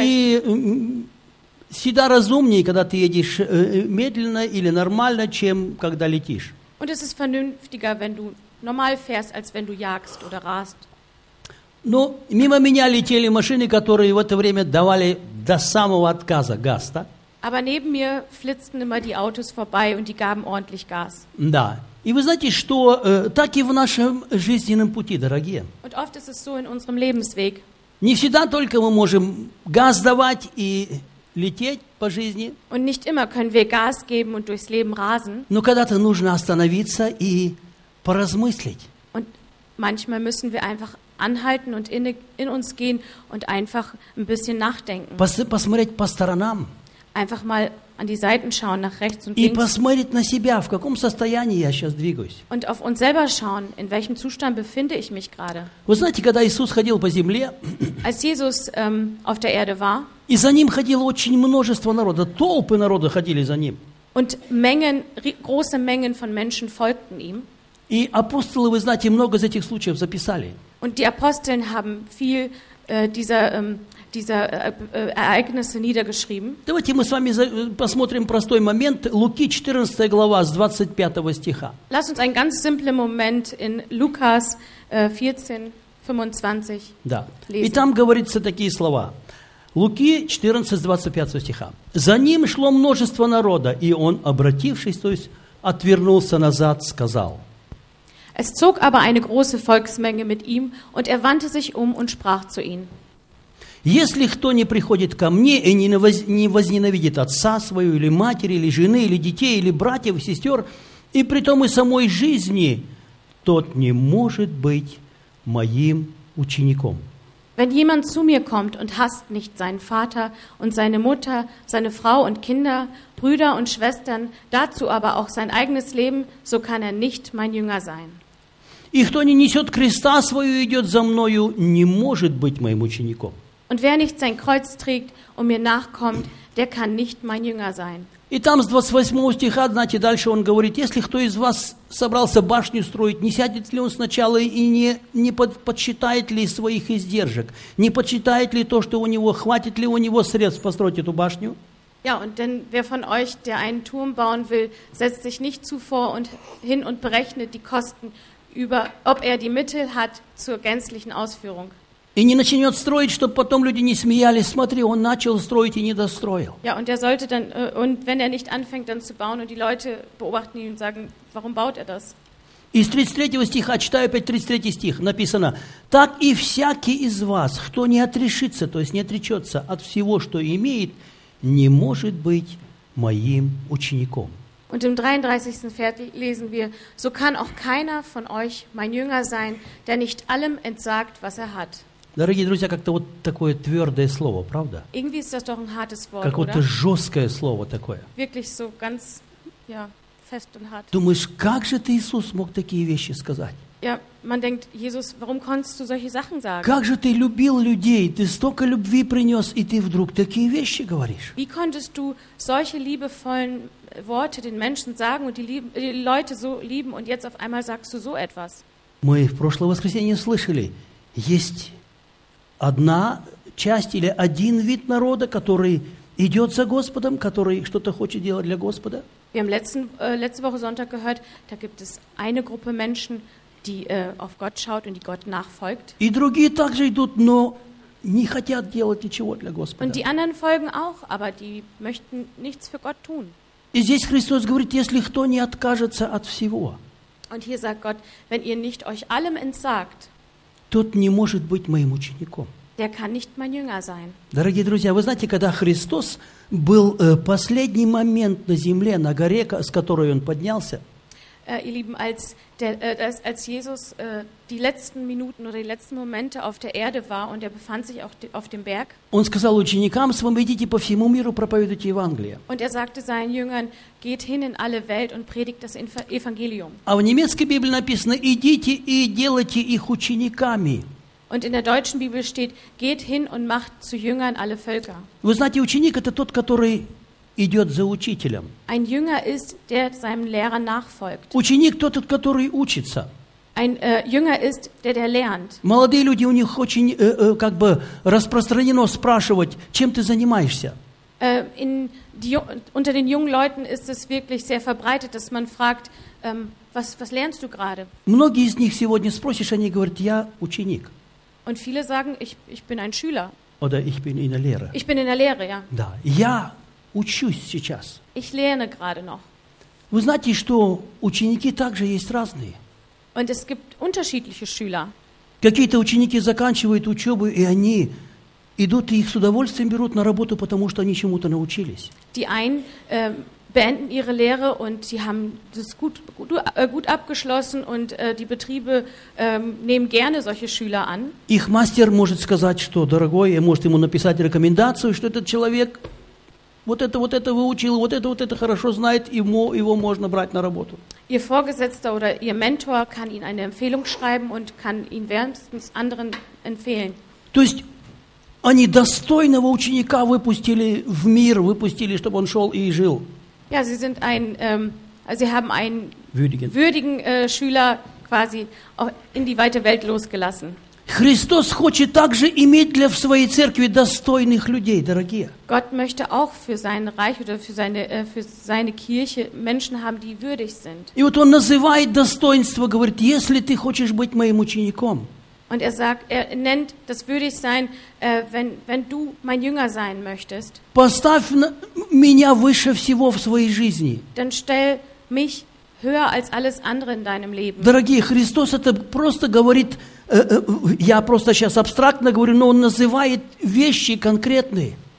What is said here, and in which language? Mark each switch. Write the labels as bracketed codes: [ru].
[ru] И всегда разумнее, когда ты едешь медленно или нормально, чем когда летишь. [de] Und es ist vernünftiger, wenn du normal fährst, als wenn du jagst oder rast. [ru] Но мимо меня летели машины, которые в это время давали до самого отказа газ, да? [de] Aber neben mir flitzten immer die Autos vorbei und die gaben ordentlich Gas. [ru] Да. И вы знаете, что так и в нашем жизненном пути, дорогие. [de] Und oft ist es so in unserem Lebensweg. [ru] Не всегда только мы можем газ давать и лететь по жизни. [de] Und nicht immer können wir Gas geben und durchs Leben rasen. [ru] Но когда-то нужно остановиться и поразмыслить. [de] Und manchmal müssen wir einfach anhalten und in uns gehen und einfach ein bisschen nachdenken. [ru] Посмотреть по сторонам. [de] Einfach mal an die Seiten schauen, nach rechts und links. [ru] И посмотреть на себя, в каком состоянии я сейчас двигаюсь. [de] Und auf uns selber schauen, in welchem Zustand befinde ich mich gerade. [ru] Вы знаете, когда Иисус ходил по земле, [de] als Jesus auf der Erde war, [ru] и за ним ходило очень множество народа, толпы народа ходили за ним. [de] Und Mengen, große Mengen von Menschen folgten ihm. [ru] И апостолы, вы знаете, много из этих случаев записали. [de] Und die Aposteln haben viel Ereignisse niedergeschrieben. [ru] Давайте мы с вами посмотрим простой момент. Луки 14 глава с 25 стиха. [de] Lass uns einen ganz simplen Moment in Lukas 14, 25 [ru] да. [de] Lesen. [ru] И там говорится такие слова. Луки 14, 25 стиха. «За ним шло множество народа, и он, обратившись, то есть отвернулся назад, сказал». [de] Es zog aber eine große Volksmenge mit ihm, und er wandte sich um und sprach zu ihnen. [ru] Если кто не приходит ко мне и не возненавидит отца свою, или матери, или жены, или детей, или братьев, сестер, и притом и самой жизни, тот не может быть моим учеником. [de] Wenn jemand zu mir kommt und hasst nicht seinen Vater und seine Mutter, seine Frau und Kinder, Brüder und Schwestern, dazu aber auch sein eigenes Leben, so kann er nicht mein Jünger sein. [ru] И кто не несет креста свою и идет за мною, не может быть моим учеником. [de] Und wer nicht sein Kreuz trägt und mir nachkommt, der kann nicht mein Jünger sein. [ru] И там с 28 стиха, знаете, дальше он говорит, если кто из вас собрался башню строить, не сядет ли он сначала и не подсчитает ли своих издержек, не подсчитает ли то, что у него, хватит ли у него средств построить эту башню? [de] Ja, und denn wer von euch, der einen Turm bauen will, setzt sich nicht zuvor und hin und berechnet die Kosten, über, ob er die Mittel hat zur gänzlichen Ausführung. [ru] И не начнет строить, чтобы потом люди не смеялись. Смотри, он начал строить и не достроил. [de] Ja, und er sollte dann, und wenn er nicht anfängt, dann zu bauen, und die Leute beobachten ihn und sagen, warum baut er das? [ru] Из 33 стиха, читаю опять 33 стих, написано, так и всякий из вас, кто не отрешится, то есть не отречется от всего, что имеет, не может быть моим учеником. [de] Und im 33. Vers lesen wir, so kann auch keiner von euch mein Jünger sein, der nicht allem entsagt, was er hat. [ru] Дорогие друзья, как-то вот такое твердое слово, правда? [de] Irgendwie ist das doch ein hartes Wort, [ru] какое-то [de] oder? [ru] Жесткое слово такое. [de] Wirklich so ganz, ja, fest und hart. [ru] Думаешь, как же ты, Иисус, мог такие вещи сказать? [de] Ja, man denkt, Jesus, warum konntest du solche Sachen sagen? [ru] Как же ты любил людей, ты столько любви принес, и ты вдруг такие вещи говоришь? [de] Wie konntest du solche liebevollen Worte den Menschen sagen und die Leute so lieben und jetzt auf einmal sagst du so etwas? [ru] Мы в прошлое воскресенье слышали, есть одна часть или один вид народа, который идет за Господом, который что-то хочет делать для Господа. [de] Wir haben letzte Woche Sonntag gehört, da gibt es eine Gruppe Menschen, die auf Gott schaut und die Gott nachfolgt. [ru] И другие также идут, но не хотят делать ничего для Господа. [de] Und die anderen folgen auch, aber die möchten nichts für Gott tun. [ru] И здесь Христос говорит, если кто не откажется от всего. [de] Und hier sagt Gott, wenn ihr nicht euch allem entsagt, [ru] тот не может быть моим учеником. [de] Der kann nicht mein Jünger sein. [ru] Дорогие друзья, вы знаете, когда Христос был последний момент на земле, на горе, с которой он поднялся, [de] ihr Lieben, als Jesus die letzten Minuten oder die letzten Momente auf der Erde war und er befand sich auch auf dem Berg, [ru] он сказал ученикам своим, идите по всему миру, проповедуйте Евангелие. [de] Und er sagte seinen Jüngern, geht hin in alle Welt und predigt das Evangelium. [ru] А в немецкой Библии написано, идите и делайте их учениками. [de] Und in der deutschen Bibel steht, geht hin und macht zu Jüngern alle Völker. [ru] Вы знаете, ученик это тот, который идет за учителем. [de] Ein Jünger ist, der seinem Lehrer nachfolgt. [ru] Ученик тот, который учится. [de] Ein Jünger ist, der lernt. [ru] Молодые люди, у них очень как бы распространено спрашивать, чем ты занимаешься. [de] Unter den jungen Leuten ist es wirklich sehr verbreitet, dass man fragt, was lernst du gerade? [ru] Многие из них сегодня спросишь, они говорят, я ученик. [de] Und viele sagen, ich bin ein Schüler. Oder ich bin in der Lehre. Ich bin in der Lehre, ja. [ru] Да, я учусь сейчас. [de] Ich lerne gerade noch. [ru] Вы знаете, что ученики также есть разные. [de] Und es gibt unterschiedliche Schüler. [ru] Какие-то ученики заканчивают учебу, и они идут и их с удовольствием берут на работу, потому что они чему-то научились. [de] Die einen beenden ihre Lehre und sie haben das gut abgeschlossen und die Betriebe nehmen gerne solche Schüler an. [ru] Их мастер может сказать, что дорогой, может ему написать рекомендацию, что этот человек вот это выучил, вот это хорошо знает, его можно брать на работу. [de] Ihr Vorgesetzter oder Ihr Mentor kann Ihnen eine Empfehlung schreiben und kann ihn wärmstens anderen empfehlen. [ru] То есть они достойного ученика выпустили в мир, выпустили, чтобы он шел и жил. [de] Ja, sie sind ein, sie haben einen würdigen Schüler quasi in die weite Welt losgelassen. [ru] Христос хочет также иметь для своей церкви достойных людей, дорогие. [de] Gott möchte auch für sein Reich oder für seine Kirche Menschen haben, die würdig sind. [ru] И вот он называет достоинство, говорит, если ты хочешь быть моим учеником. [de] Und er sagt, er nennt das würdig sein, wenn du mein Jünger sein möchtest. [ru] Поставь меня выше всего в своей жизни. [de] Dann stell mich höher als alles andere in deinem Leben. [ru] Дорогие, Христос это просто говорит, я просто сейчас абстрактно говорю, но он называет вещи конкретные.